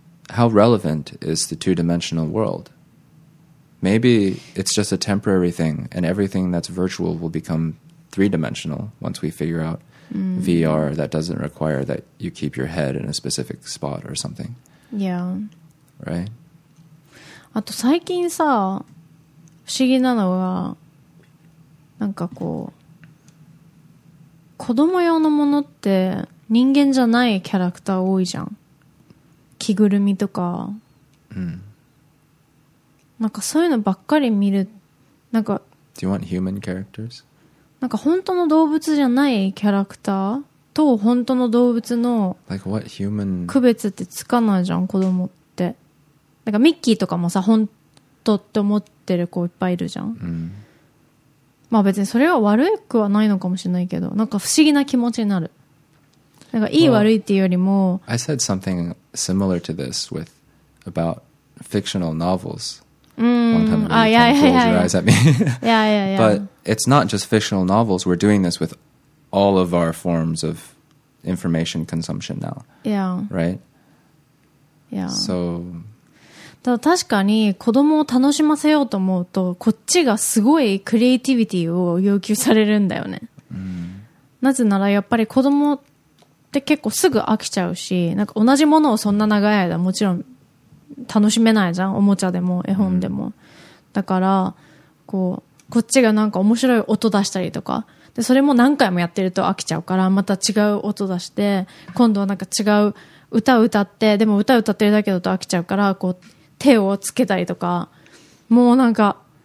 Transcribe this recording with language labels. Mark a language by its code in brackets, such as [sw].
[en] How relevant is the two-dimensional world? Maybe it's just a temporary thing and everything that's virtual will become three-dimensional once we figure out VR that doesn't require that you keep your head in a specific spot or something. Yeah. Right? [ja] あと最近さ、不思議なのが、なんかこう、子供用のものって人間じゃないキャラクター多いじゃん。着ぐるみとか、なんかそういうのばっかり見る、なんか [en] Do you want human characters? [ja] なんか本当の動物じゃないキャラクターと本当の動物の [en] Like what human [ja] 区別ってつかないじゃん子供って。なんかミッキーとかもさ本当って思ってる子いっぱいいるじゃん、まあ別にそれは悪くはないのかもしれないけど、なんか不思議な気持ちになる。なんかいい悪いっていうよりも、 [en] well, I said somethingsimilar to this with about fictional novels. Yeah. But it's not just fictional novels. We're doing this with all of our forms of information consumption now. Yeah. Right? Yeah. So. [ja] ただ確かに子供を楽しませようと思うと、こっちがすごいクリエイティビティを要求されるんだよね。なぜならやっぱり子供で結構すぐ飽きちゃうし、なんか同じものをそんな長い間もちろん楽しめないじゃん、おもちゃでも絵本でも、だからこうこっちがなんか面白い音出したりとかで、それも何回もやってると飽きちゃうから、また違う音出して、今度はなんか違う歌を歌って、でも歌歌ってるだけだと飽きちゃうから、こう手をつけたりとか、もうなんか